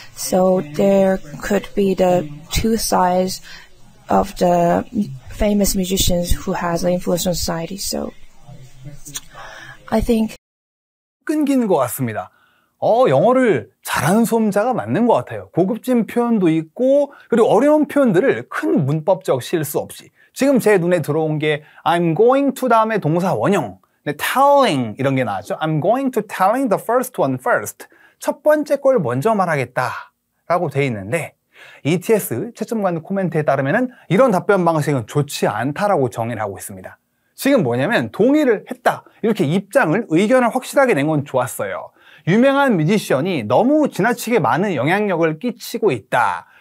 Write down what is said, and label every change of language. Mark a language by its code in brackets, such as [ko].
[en] So there could be the two sides of the famous musicians who has an influence on society. So I think [ko] 끊긴 것 같습니다. 영어를 잘하는 수험자가 맞는 것 같아요. 고급진 표현도 있고 그리고 어려운 표현들을 큰 문법적 실수 없이. 지금 제 눈에 들어온 게 [en] I'm going to [ko] 다음에 동사 원형. 네, telling 이런 게 나왔죠. [en] I'm going to telling the first one first. [ko] 첫 번째 걸 먼저 말하겠다 라고 돼 있는데 ETS 채점관 코멘트에 따르면 이런 답변 방식은 좋지 않다라고 정의를 하고 있습니다. 지금 뭐냐면 동의를 했다. 이렇게 입장을, 의견을 확실하게 낸 건 좋았어요. 유명한 뮤지션이 너무 지나치게 많은 영향력을 끼치고 있다.